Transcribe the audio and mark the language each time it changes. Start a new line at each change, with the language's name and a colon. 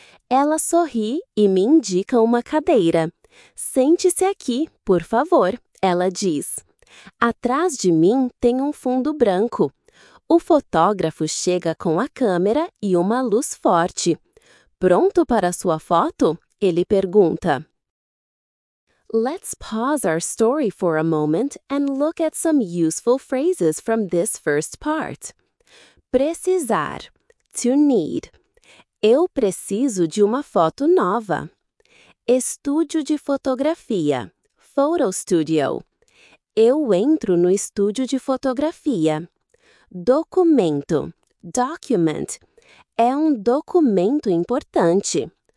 Portuguese: Ela sorri e me indica uma cadeira. Sente-se aqui, por favor, ela diz. Atrás de mim tem um fundo branco. O fotógrafo chega com a câmera e uma luz forte. Pronto para a sua foto? Ele pergunta.
English: Let's pause our story for a moment and look at some useful phrases from this first part. Precisar. To need.
Portuguese: Eu preciso de uma foto nova. Estúdio de fotografia.
English: Photo studio.
Portuguese: Eu entro no estúdio de fotografia. Documento. Document. É um documento importante.